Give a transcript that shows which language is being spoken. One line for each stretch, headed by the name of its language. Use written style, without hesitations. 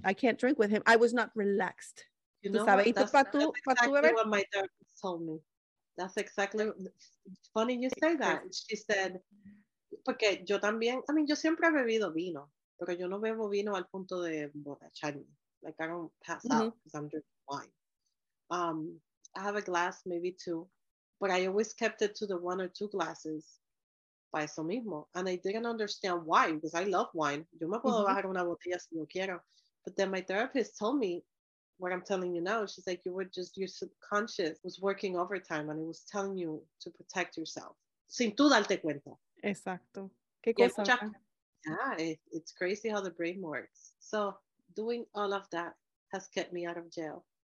English: I can't drink with him. I was not relaxed. You know, that's exactly what my therapist told me. That's exactly, funny you say that. She said,
Spanish: porque yo también,
English: I mean,
Spanish: yo siempre he bebido vino, pero yo no bebo vino al punto de emborracharme.
English: Like, I don't pass out because I'm drinking wine. I have a glass, maybe two, but I always kept it to the one or two glasses by
Spanish: eso mismo.
English: And I didn't understand why, because I love wine.
Spanish: Yo me puedo bajar una botella si yo quiero.
English: But then my therapist told me what I'm telling you now. She's like, your subconscious was working overtime and it was telling you to protect yourself.
Spanish: Sin tú darte cuenta. Exacto. ¿Qué cosa?
English: It's crazy how the brain works. So doing all of that has kept me out of jail.